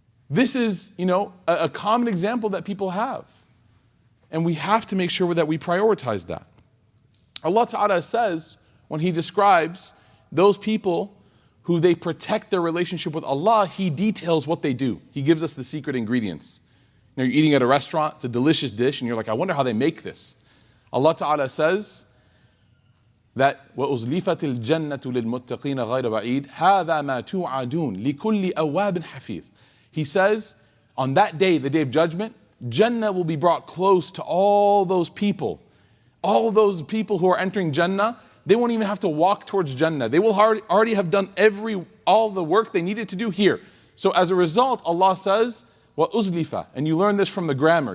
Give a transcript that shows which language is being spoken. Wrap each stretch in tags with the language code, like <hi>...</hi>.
<en>This is, you know, a common example that people have. And we have to make sure that we prioritize that. Allah Ta'ala says, when He describes those people who they protect their relationship with Allah, he details what they do. He gives us the secret ingredients. Now you're eating at a restaurant, it's a delicious dish, and you're like, I wonder how they make this. Allah Ta'ala says that</en> <ar>وَأُزْلِفَتِ الْجَنَّةُ لِلْمُتَّقِينَ غَيْرَ بَعِيدٍ هَذَا مَا تُوْعَدُونَ لِكُلِّ أَوَّابٍ حَفِيظٍ.</ar> <en>He says, on that day, the day of judgment, Jannah will be brought close to all those people. All those people who are entering Jannah, they won't even have to walk towards Jannah. They will already have done all the work they needed to do here. So as a result, Allah says, وَأُزْلِفَ. And you learn this from the grammar.</en>